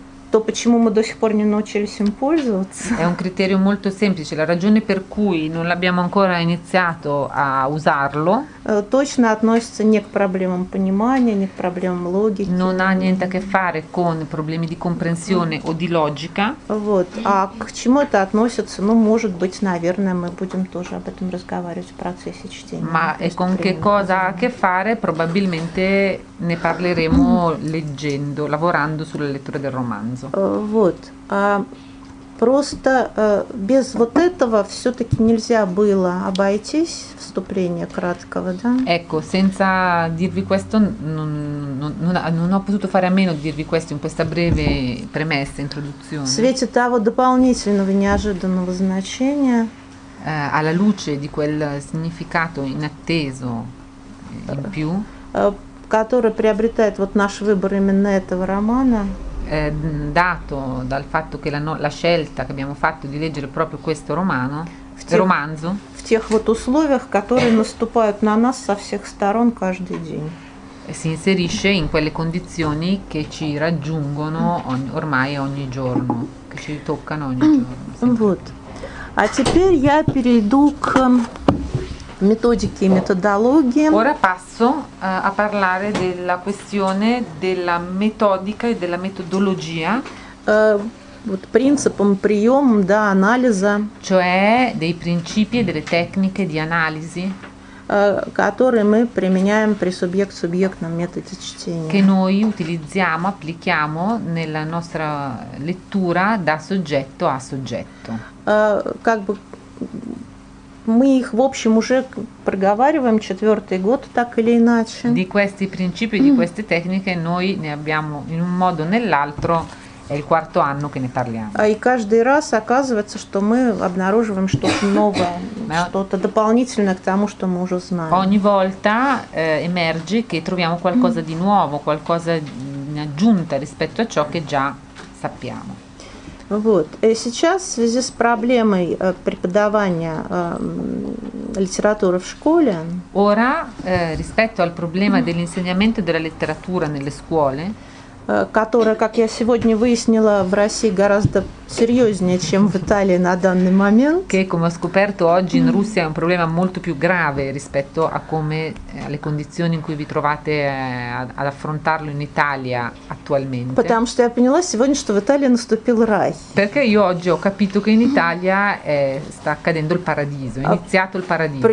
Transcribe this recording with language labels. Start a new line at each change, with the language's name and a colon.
Russian: То, почему мы до сих пор не научились им пользоваться.
Italian: È un criterio molto semplice. La ragione per cui non l'abbiamo ancora iniziato a usarlo.
Russian: Точно относится не к проблемам понимания, не к проблемам логики.
Italian: Non ha niente a che fare con problemi di comprensione o di logica.
Russian: Вот. А к чему это относится? Ну, может быть, наверное, мы будем тоже об этом разговаривать в процессе чтения.
Italian: Ma e con che cosa ha a che fare? Probabilmente ne parleremo leggendo, lavorando sulla lettura del romanzo.
Russian: Вот, просто без вот этого все-таки нельзя было обойтись, вступление краткого, да?
Italian: Ecco, senza dirvi questo, non ho potuto fare a meno di dirvi questo in questa breve premessa, introduzione.
Russian: В свете того дополнительного неожиданного значения.
Italian: Alla luce di quel significato inatteso in più.
Russian: Который приобретает вот наш выбор именно этого романа.
Italian: Dato dal fatto che la scelta che abbiamo fatto di leggere proprio questo romano, romanzo,
Russian: в тех вот условиях, которые наступают на нас со всех сторон каждый день,
Italian: si inserisce in quelle condizioni che ci raggiungono ormai ogni giorno, che ci toccano ogni giorno.
Russian: Вот. А теперь я перейду к методике и методологии.
Italian: Ora passo a parlare della questione della metodica e della metodologia.
Russian: Вот принципом, приемом, да, анализа.
Italian: Cioè dei principi e delle tecniche di analisi.
Russian: Которые мы применяем при субъект-субъектном методе чтения.
Italian: Che noi utilizziamo, applichiamo nella nostra lettura da soggetto a soggetto.
Russian: Как бы мы их, в общем, уже проговариваем четвертый год, так или иначе.
Italian: Di questi principi, di queste tecniche, noi ne abbiamo in un modo o nell'altro, è il quarto anno che ne parliamo.
Russian: И каждый раз оказывается, что мы обнаруживаем что-то новое, что-то дополнительное к тому, что мы уже знаем.
Italian: Ogni volta emerge che troviamo qualcosa di nuovo, qualcosa in aggiunta rispetto a ciò che già sappiamo.
Russian: Вот. И сейчас в связи с проблемой преподавания литературы в школе.
Italian: Ora, rispetto al problema dell'insegnamento della letteratura nelle scuole,
Russian: которая, как я сегодня выяснила, в России гораздо серьезнее, чем в Италии на данный момент.
Italian: Che, come ho scoperto oggi in Russia, è un problema molto più grave rispetto a come alle condizioni in cui vi trovate ad affrontarlo in Italia attualmente.
Russian: Потому что я поняла сегодня, что в Италии наступил рай.
Italian: Perché io oggi ho capito che in Italia sta accadendo il paradiso, è iniziato il paradiso.